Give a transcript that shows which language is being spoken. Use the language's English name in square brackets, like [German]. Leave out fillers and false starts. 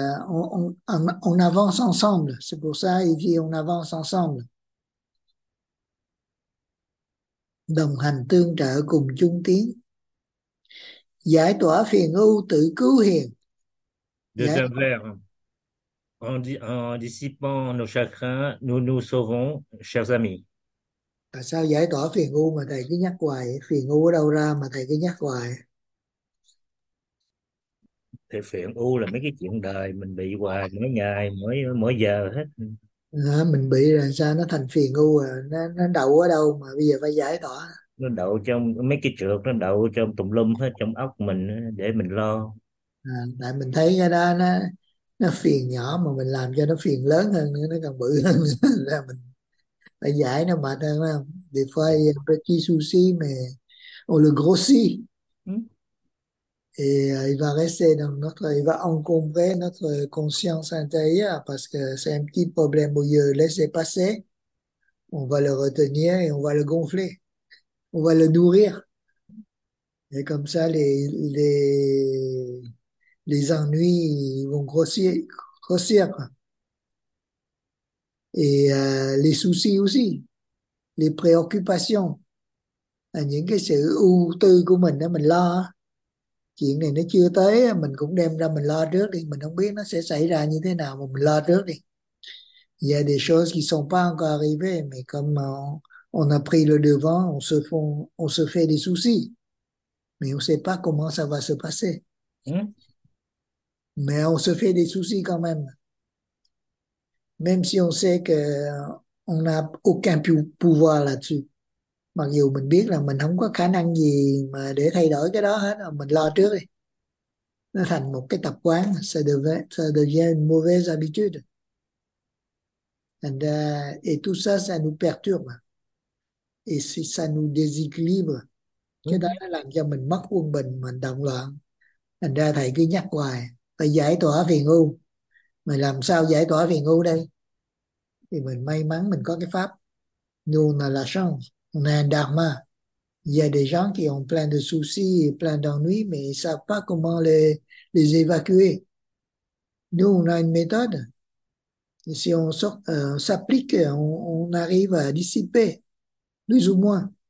[French] On avance ensemble. C'est pour ça qu'il dit, on avance ensemble. [Vietnamese] Đồng hành tương trợ cùng chung tiến. Giải tỏa phiền ưu tự cứu hiền. [French] De [Vietnamese] Giải [French] un [Vietnamese] tỏa. [French] verre. En dissipant nos chagrins, nous nous sauvons, chers amis. [Vietnamese] Tại sao giải tỏa phiền ưu mà thầy cứ nhắc hoài? Phiền ưu ở đâu ra mà thầy cứ nhắc hoài? Thì phiền u là mấy cái chuyện đời mình bị hoài mỗi ngày mỗi giờ hết. Đó, mình bị là sao nó thành phiền ưu rồi, nó đậu ở đâu mà bây giờ phải giải tỏa. Nó đậu trong mấy cái trượt, nó đậu trong tùm lum hết trong óc mình để mình lo. Tại mình thấy cái đó nó phiền nhỏ mà mình làm cho nó phiền lớn hơn nữa, nó còn bự hơn nữa. Là mình phải giải nó mệt hơn không? [French] Des fois, il y a un petit souci, mais on le grossit. Et il va rester dans notre, il va encombrer notre conscience intérieure parce que c'est un petit problème au lieu de laisser passer. On va le retenir et on va le gonfler. On va le nourrir. Et comme ça, les ennuis vont grossir. Et les soucis aussi, les préoccupations, [Vietnamese] những cái sự ưu tư của mình đó, mình lo chuyện này nó chưa tới mình cũng đem ra mình lo trước đi, mình không biết nó sẽ xảy ra như thế nào mà mình lo trước đi. [French] Il y a des choses qui sont pas encore arrivées, mais comme on a pris le devant, on se fait des soucis, mais on sait pas comment ça va se passer, mais on se fait des soucis quand même. Même si on sait que on n'a aucun pouvoir là-dessus. [Vietnamese] Mặc dù mình biết là mình không có khả năng gì mà để thay đổi cái đó hết, mình lo trước đi. Nó thành một cái tập quán, [French] ça devient une mauvaise habitude. Et tout ça, ça nous perturbe. Et si ça nous déséquilibre, [Vietnamese] cái đó nó làm cho mình mất quân bình, mình động loạn. Thành ra thầy cứ nhắc hoài, phải giải tỏa phiền ưu. Mình làm sao giải tỏa phiền ưu đây? Thì mình may mắn mình có cái pháp. [French] Nous, on a la chance. On a un dharma. Il y a des gens qui ont plein de soucis et plein d'ennuis, mais ils ne savent pas comment les évacuer. Nous, on a une méthode. Et si on sort, on s'applique, on arrive à dissiper, plus ou moins.